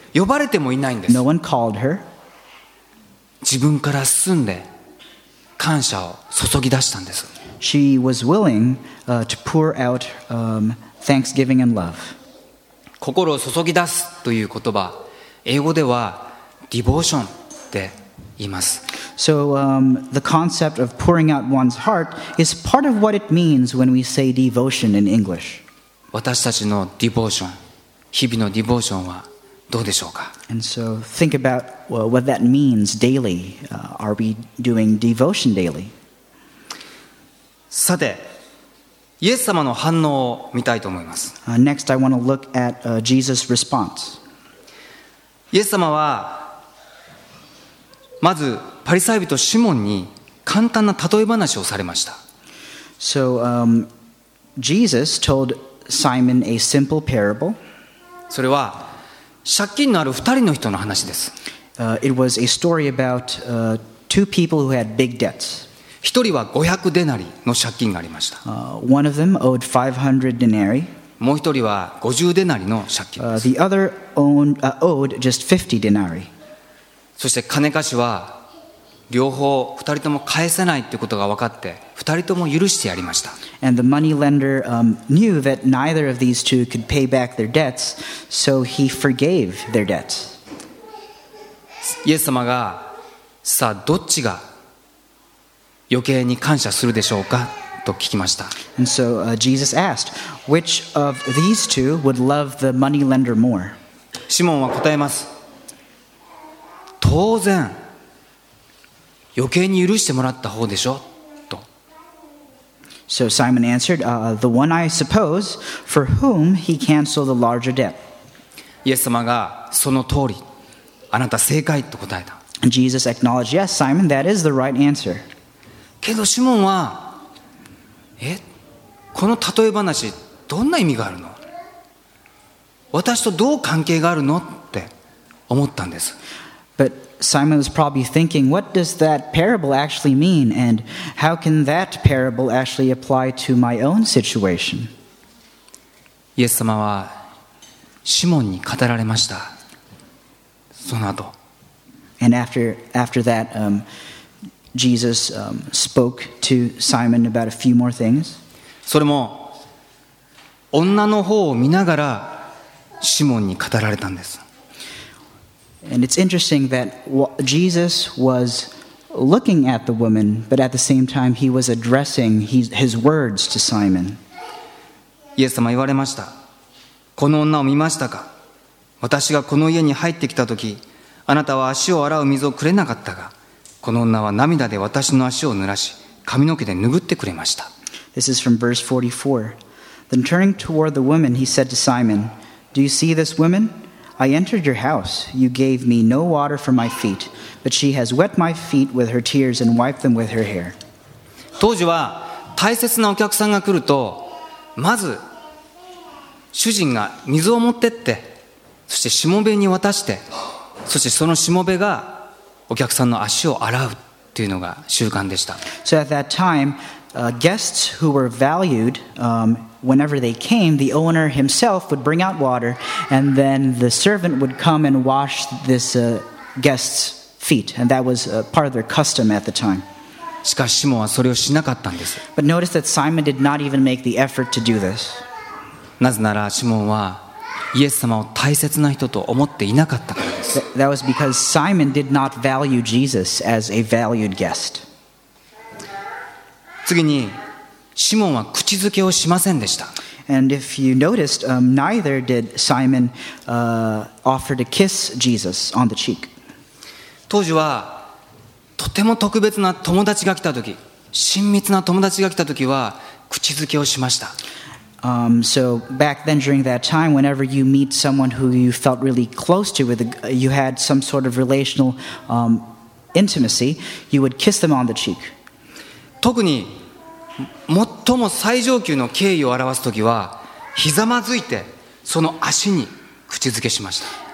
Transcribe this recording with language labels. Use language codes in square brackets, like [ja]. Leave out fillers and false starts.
[ja] 呼ばれてもいないんです [en] No one called her [ja] 自分から進んで感謝を注ぎ出したんです [en] She was willing to pour out thanksgiving and love [ja] 心を注ぎ出すという言葉英語ではディボーションって言います [en] So the concept of pouring out one's heart is part of what it means when we say devotion in English. [ja] 私たちのディボーション、日々のディボーションはどうでしょうか。 [en] And so think about what that means daily. Are we doing devotion daily? [ja] さて、イエス様の反応を見たいと思います。 [en] Next, I want to look at Jesus' response. [ja] イエス様はまずパリサイ人シモンに簡単な例え話をされました。 [en] So, Jesus told Simon a simple parable. [ja] それは借金のある二人の人の話です。 [en] It was a story about two people who had big debts. [ja] 一人は500デナリの借金がありました。 [en] One of them owed 500 denarii. [ja] もう一人は50デナリの借金です。 [en] The other owed just 50 denarii. [ja] そして金貸しは両方二人とも返せないということが分かって二人とも許してやりました。 [en] And the money lender knew that neither of these two could pay back their debts, so he forgave their debts. [ja] イエス様がさあどっちが余計に感謝するでしょうかと聞きました。 [en] And so Jesus asked, which of these two would love the money lender more? [ja] シモンは答えます。当然余計に許してもらった方でしょと。 [en] So Simon answered, the one I suppose for whom he canceled the larger debt. [ja] イエス様がその通り、あなた正解と答えた。 [en] Jesus acknowledged, yes, Simon, that is the right answer. [ja] けどシモンは、この例え話どんな意味があるの？私とどう関係があるの？って思ったんです。 [en] But Simon was probably thinking, what does that parable actually mean? And how can that parable actually apply to my own situation? [ja] イエス様はシモンに語られました。その後。 [en] And after that, Jesus spoke to Simon about a few more things. [ja] それも女の方を見ながらシモンに語られたんです。 [en] And it's interesting that Jesus was looking at the woman, but at the same time he was addressing his words to Simon. [ja] イエス様言われました。この女を見ましたか？私がこの家に入ってきた時、あなたは足を洗う水をくれなかったが、この女は涙で私の足を濡らし、髪の毛で拭ってくれました。 [en] This is from verse 44. Then turning toward the woman, he said to Simon, Do you see this woman? I entered your house. You gave me no water for my feet, but she has wet my feet with her tears and wiped them with her hair. [ja] 当時は大切なお客さんが来ると、まず主人が水を持ってって、そしてしもべに渡して、そしてそのしもべがお客さんの足を洗うというのが習慣でした。 [en] So at that time, guests who were valued, whenever they came, the owner himself would bring out water, and then the servant would come and wash this guest's feet, and that was part of their custom at the time. [ja] しかしシモンはそれをしなかったんです。 [en] But notice that Simon did not even make the effort to do this. [ja] なぜならシモンはイエス様を大切な人と思っていなかったからです。 [en] That was because Simon did not value Jesus as a valued guest. [ja] 次にシモンは口づけをしませんでした。 [en] And if you noticed, neither did Simon offer to kiss Jesus on the cheek. [ja] 当時はとても特別な友達が来た時、親密な友達が来た時は口づけをしました。 [en] So back then during that time, whenever you meet someone who you felt really close to, you had some sort of relational intimacy, you would kiss them on the cheek. [ja] 特に最も最上級の敬意を表すときはひざまずいてその足に口づけしました。